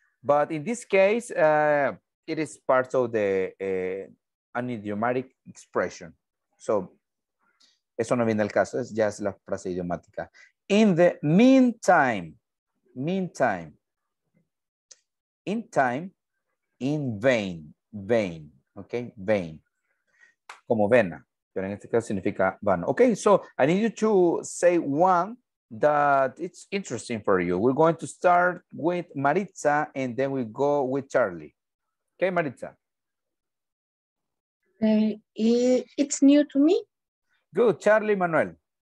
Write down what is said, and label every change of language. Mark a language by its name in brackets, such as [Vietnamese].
[English] But in this case, it is part of the an idiomatic expression. [Spanish] So, eso no viene al caso, es ya es la frase idiomática. [English] In the meantime, in time, in vain, okay? [Spanish] Vain, como vena, pero en este caso significa vano. [English] Okay, so I need you to say one that it's interesting for you. We're going to start with Maritza and then we go with Charlie. Okay, Maritza. It's new to me. Good, Charlie, Manuel.